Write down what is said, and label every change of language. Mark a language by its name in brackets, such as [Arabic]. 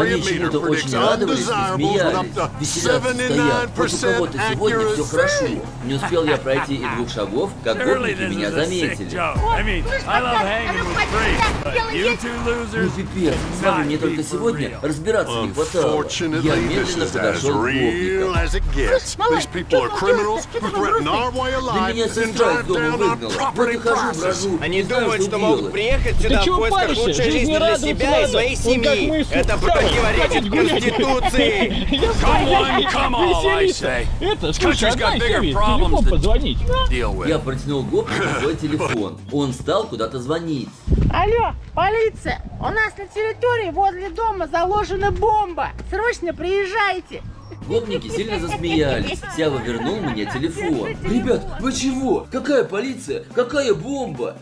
[Russian] Они чему-то очень радовались и смеялись. Веселятся стоят. Хоть у кого-то сегодня все хорошо. Не успел я пройти и двух шагов, как гопники меня заметили. Ну пипец, с вами мне только сегодня разбираться не хватало. Я медленно подошел. [English] As real as it gets. These people are criminals who threaten our way of life and drive down our property process. [Russian] Они думают, что могут приехать сюда в поисках лучшей жизни для себя и своей семьи. Это противоречит Конституции. [English] Come on, come on, I say. This country's got bigger problems to deal with. [Russian] Я протянул гопнику свой телефон. Он стал куда-то звонить. Алло, полиция! У нас на территории возле дома заложена бомба! Срочно приезжайте! Гопники сильно засмеялись. Сява вернул мне телефон. Ребят, вы чего? Какая полиция? Какая бомба?